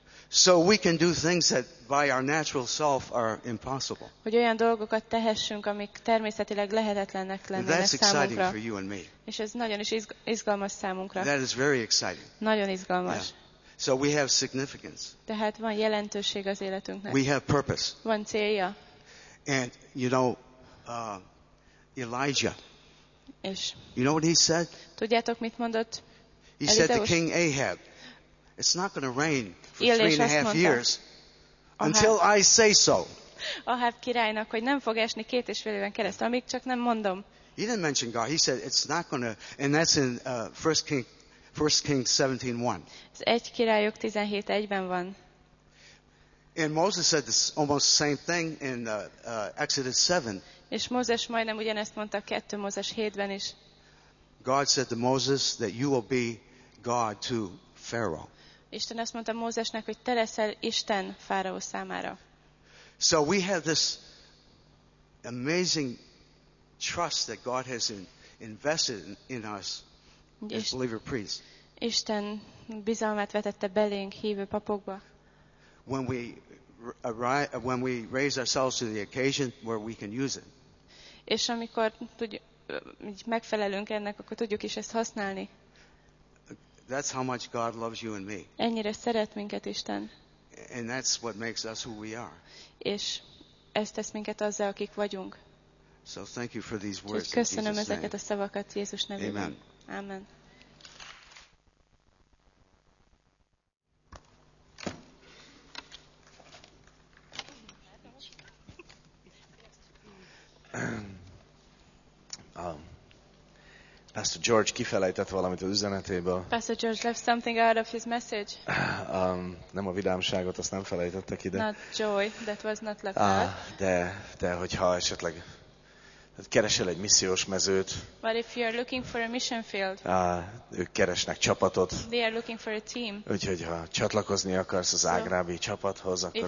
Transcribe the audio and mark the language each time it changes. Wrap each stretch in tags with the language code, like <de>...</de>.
<en>So we can do things that by our natural self are impossible.</en> <hu>Hogy olyan dolgokat tehessünk, amik természetileg lehetetlennek lennének számunkra.</hu> <en>That's exciting for you and me.</en> <hu>És ez nagyon is izgalmas számunkra.</hu> <en>That is very exciting.</en> <hu>Nagyon izgalmas.</hu> <en>Yeah. So we have significance.</en> <hu>Tehát van jelentőség az életünknek.</hu> <en>We have purpose.</en> <hu>Van célja.</hu> <en>And you know, Elijah.</en> <hu>És</hu> <en>you know what he said?</en> <hu>Tudjátok, mit mondott?</hu> <en>He said to King Ahab, it's not going to rain for</en> <hu>Illés 3.5 mondta,</hu> <en>years until I say so.</en> <hu>Ahab királynak, hogy nem fog esni 2.5 éven keresztül, amíg csak nem mondom.</hu> <en>He didn't mention God. He said, it's not going to, and that's in 1 Kings 17.1.</en> <hu>Ez 1 királyok 17.1-ben van.</hu> <en>And Moses said this, almost the same thing in Exodus 7.</en> <hu>És Mózes majdnem ugyanezt mondta 2 Mózes 7-ben is.</hu> <en>God said to Moses that you will be God to Pharaoh.</en> <hu>Isten azt mondta Mózesnek, hogy te leszel Isten Fáraó számára.</hu> <en>So we have this amazing trust that God has invested in us as believer priests.</en> <hu>Isten bizalmát vetette belénk hívő papokba.</hu> <en>When we raise ourselves to the occasion where we can use it.</en> <hu>És amikor megfelelünk ennek, akkor tudjuk is ezt használni.</hu> <en>That's how much God loves you and me.</en> <hu>Ennyire szeret minket Isten.</hu> <en>And that's what makes us who we are.</en> <hu>És ez tesz minket azzal, akik vagyunk.</hu> <en>So thank you for these words.</en> <hu>Köszönöm ezeket a szavakat Jézus nevében.</hu> <en>Amen.</en> <hu>Amen. Pastor George kifelejtett valamit az üzenetéből.</hu> <en>Pastor George left something out of his message.</en> <hu>Nem a vidámságot, azt nem felejtettek ide.</hu> <en>Not joy, that was not left out.</en> <hu>De hogyha esetleg keresel egy missziós mezőt.</hu> <en>But if you are looking for a mission field.</en> <hu>Ők keresnek csapatot.</hu> <en>They are looking for a team.</en> <hu>Úgyhogy ha csatlakozni akarsz az ágrábi csapathoz, akkor</hu>